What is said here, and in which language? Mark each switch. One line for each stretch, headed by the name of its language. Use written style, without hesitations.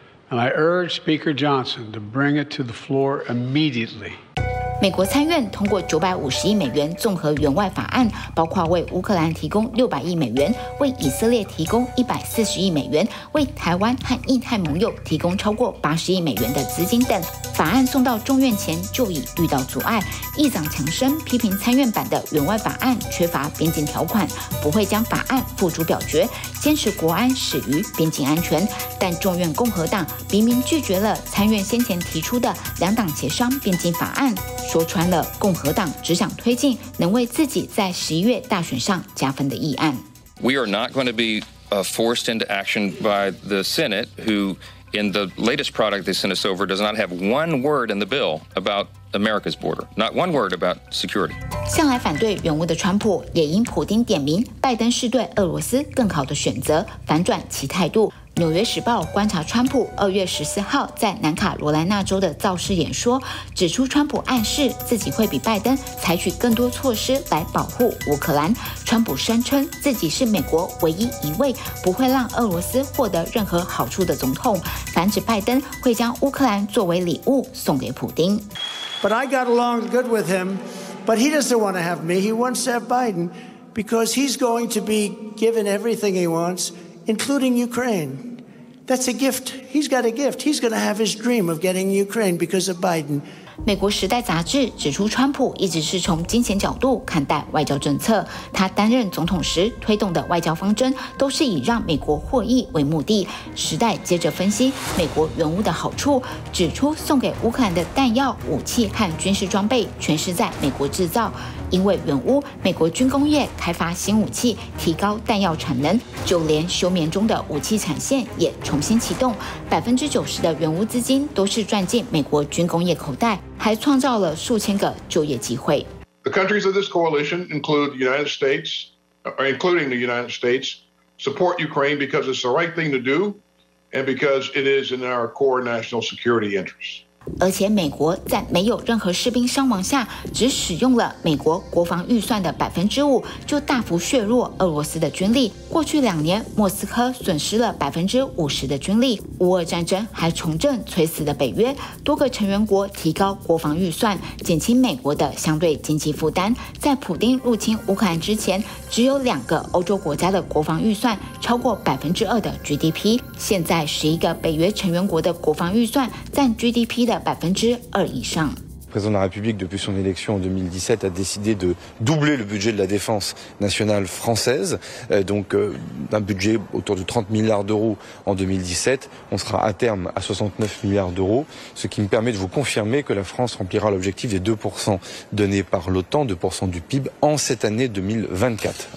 English: And I urge Speaker Johnson to bring it to the floor immediately.
Chinese: 美国参院通过$950亿综合援外法案，包括为乌克兰提供$600亿，为以色列提供$140亿，为台湾和印太盟友提供超过$80亿的资金等。法案送到众院前就已遇到阻碍。议长强生批评参院版的援外法案缺乏边境条款，不会将法案付诸表决，坚持国安始于边境安全。但众院共和党明明拒绝了参院先前提出的两党协商边境法案。说穿了，共和党只想推进能为自己在11月大选上加分的议案。 We are not going to be forced into action by the Senate, who, in the latest product they sent us over, does not have one word in the bill about America's border, not one word about security. 向来反对援乌的川普也因普丁点名，拜登是对俄罗斯更好的选择，反转其态度。 《纽约时报》观察川普2月14号在南卡罗来纳州的造势演说，指出川普暗示自己会比拜登采取更多措施来保护乌克兰。川普声称自己是美国唯一一位不会让俄罗斯获得任何好处的总统，反指拜登会将乌克兰作为礼物送给普丁。
English: But I got along good with him, but he doesn't want to have me. He wants to have Biden because he's going to be given everything he wants. Including Ukraine. That's a gift. He's got a gift. He's going to have his dream of getting Ukraine because of Biden.
Chinese: 美国时代杂志指出，川普一直是从金钱角度看待外交政策，他担任总统时推动的外交方针都是以让美国获益为目的。时代接着分析美国援乌的好处，指出送给乌克兰的弹药、武器和军事装备全是在美国制造，因为援乌，美国军工业开发新武器，提高弹药产能，就连休眠中的武器产线也重新启动。 90%的援乌资金都是赚进美国军工业口袋，还创造了数千个就业机会。
English: The countries of this coalition include the United States, including the United States, support Ukraine because it's the right thing to do, and because it is in our core national security interests.
Chinese: 而且美国在没有任何士兵伤亡下，只使用了美国国防预算的5%，就大幅削弱俄罗斯的军力。过去两年，莫斯科损失了50%的军力。乌俄战争还重振垂死的北约，多个成员国提高国防预算，减轻美国的相对经济负担。在普丁入侵乌克兰之前，只有两个欧洲国家的国防预算超过2%的 GDP。现在11个北约成员国的国防预算占 GDP 的2%以上。
French: Le président de la République, depuis son élection en 2017, a décidé de doubler le budget de la défense nationale française. Donc, un budget autour de 30 milliards d'euros en 2017. On sera à terme à 69 milliards d'euros. Ce qui me permet de vous confirmer que la France remplira l'objectif des 2% donné par l'OTAN, 2% du PIB, en cette année 2024.